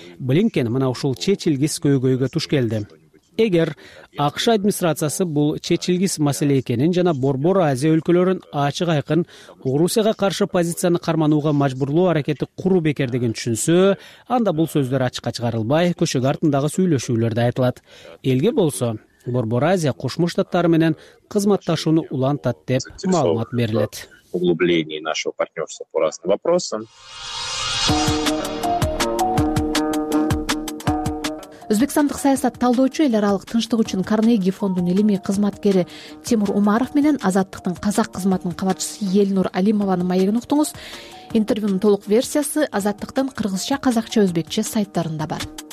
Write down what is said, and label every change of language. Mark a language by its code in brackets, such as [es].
[ky] Блинкен мына ушул чечилгис көйгөйгө туш келди. Эгер АКШ администрациясы бул чечилгис маселе экенин жана Борбор Азия өлкөлөрүн ачык айкын Орусияга каршы позицияны карманууга мажбурлоо аракети куруу бекер деген түшүнсө, анда бул сөздөр ачыкка чыгарылбай, көшөгө артындагы сүйлөшүүлөрдө айтылат. Элге болсо, Борбор Азия Кошмо Штаттары менен кызматташууну улантат деп маалымат берилет. [ru] Углубление нашего партнерства по разным вопросам. [ky] Өзбекстандык саясат талдоочу эл аралык тынчтык үчүн Карнеги фондунун илимий кызматкери Тимур Умаров менен Азаттыктын казак кызматынын кабатчысы Элнур Алимованын маегин уктуңуз. Интервьюнун толук версиясы Азаттыктын кыргызча, казакча, өзбекче сайттарында бар.